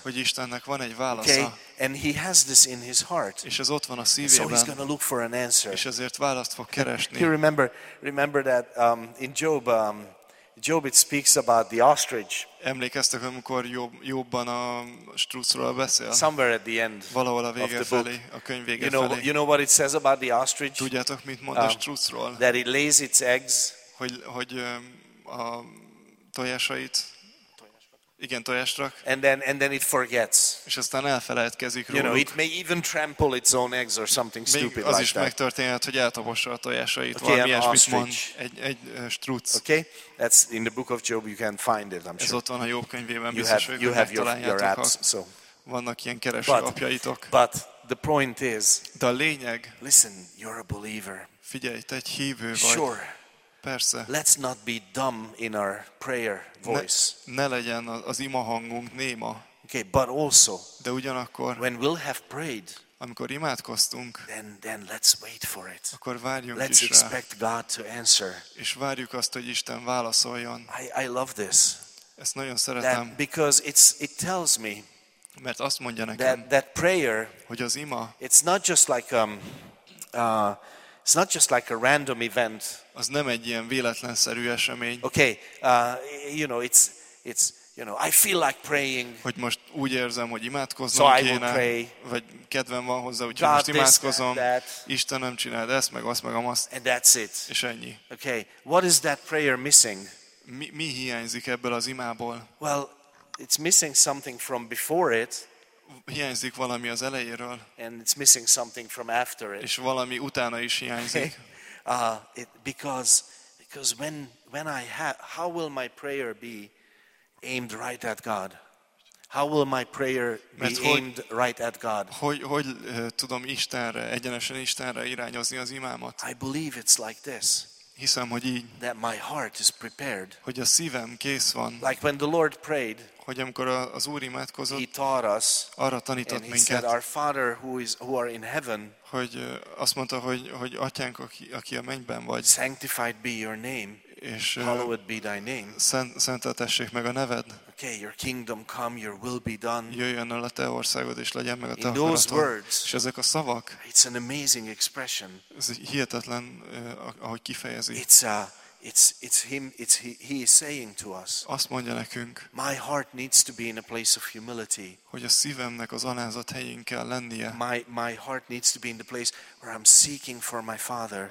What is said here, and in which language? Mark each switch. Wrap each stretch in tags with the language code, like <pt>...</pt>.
<hu>hogy Istennek van egy válasza.</hu> <en>Okay? And he has this in his heart,</en> <hu>és ez ott van a szívében.</hu> <en>So he's going to look for an answer,</en> <hu>és ezért választ fog keresni.</hu> <en>You remember that in Job, Job it speaks about the ostrich.</en> <hu>Emlékeztek, amikor Jobban a strucról beszél?</hu> <en>Somewhere at the end.</en> <hu>Valahol a vége felé,</hu> <en>book.</en> <hu>A könyv vége</hu> <en>you know,</en> <hu>felé.</hu> <en>You know what it says about the ostrich?</en> <hu>Tudjátok, mit mond a strucról?</hu> <en>That it lays its eggs.</en> <hu>Hogy a tojásait. Igen, tojást rak.</hu> <en>And then it forgets.</en> <hu>És aztán elfelejtkezik róluk.</hu> <en>You know, it may even trample its own eggs or something stupid like that.</en> <hu>Az is megtörténhet, hogy eltapossa a tojásait, okay, valami ilyesmit mond egy struc.</hu> <en>Okay, that's in the book of Job, you can find it, I'm sure.</en> <hu>Ez ott van a Jobb könyvében, biztos, hogy megtaláljátok, ha so. Vannak ilyen kereső apjaitok.</hu> <en>But the point is,</en> <hu>de a lényeg,</hu> <en>listen, you're a believer.</en> <hu>Figyelj, te egy hívő vagy.</hu> <en>Sure.</en> <hu>Persze.</hu> <en>Let's not be dumb in our prayer voice.</en> <hu>Ne legyen az ima hangunk néma.</hu> <en>Okay, but also,</en> <hu>de ugyanakkor,</hu> <en>when we'll have prayed,</en> <hu>amikor imádkoztunk,</hu> <en>then let's wait for it.</en> <hu>Akkor várjunk</hu> <en>let's</en> <hu>is rá.</hu> <en>Let's expect God to answer.</en> <hu>És várjuk azt, hogy Isten válaszoljon.</hu> <en>I love this.</en> <hu>Ezt nagyon szeretem.</hu> <en>Because it tells me,</en> <hu>mert azt mondja nekem,</hu> <en>that prayer,</en> <hu>hogy az ima,</hu> <en>it's not just like it's not just like a random event.</en> <hu>Az nem egy ilyen véletlenszerű esemény.</hu> <en>Okay, you know, it's you know, I feel like praying.</en> <hu>Hogy most úgy érzem, hogy imádkoznom</hu> <en>so</en> <hu>kéne.</hu> <en>I pray.</en> <hu>Vagy kedvem van hozzá, úgyhogy most imádkozom. Isten nem csinál ezt, meg azt, meg amazt.</hu> <en>And that's it.</en> <hu>És ennyi.</hu> <en>Okay, what is that prayer missing?</en> <hu>Mi hiányzik ebből az imából?</hu> <en>Well, it's missing something from before it.</en> <hu>Hiányzik valami az elejéről,</hu> <en>and it's missing something from after it.</en> <hu>És valami utána is hiányzik.</hu> <en>Because when I have, how will my prayer be aimed right at God? How will my prayer be aimed right at God?</en> <hu>Hogy tudom Istenre, egyenesen Istenre irányozni az imámat?</hu> <en>I believe it's like this.</en> <hu>Hiszem, hogy így,</hu> <en>that my heart is prepared.</en> <hu>Hogy a szívem kész van.</hu> <en>Like when the Lord prayed,</en> <hu>hogy amikor az Úr imádkozott,</hu> <en>he taught us,</en> <hu>arra tanított</hu> <en>and</en> <hu>minket,</hu> <en>he said, our Father who are in heaven,</en> <hu>hogy azt mondta, hogy Atyánk, aki a mennyben vagy,</hu> <en>sanctified be your name,</en> <hu>és</hu> <en>hallowed be thy name,</en> <hu>szenteltessék meg a neved.</hu> <en>Okay, your kingdom come, your will be done.</en> <hu>Jöjjön el a te országod, és legyen meg a te akaratod. És ezek a szavak,</hu> <en>it's an amazing expression.</en> <hu>Ez hihetetlen, ahogy kifejezi.</hu> <en>He is saying to us.</en> <hu>Azt mondja nekünk.</hu> <en>My heart needs to be in a place of humility.</en> <hu>Hogy a szívemnek az alázat helyén kell lennie.</hu> <en>My heart needs to be in the place where I'm seeking for my Father.</en>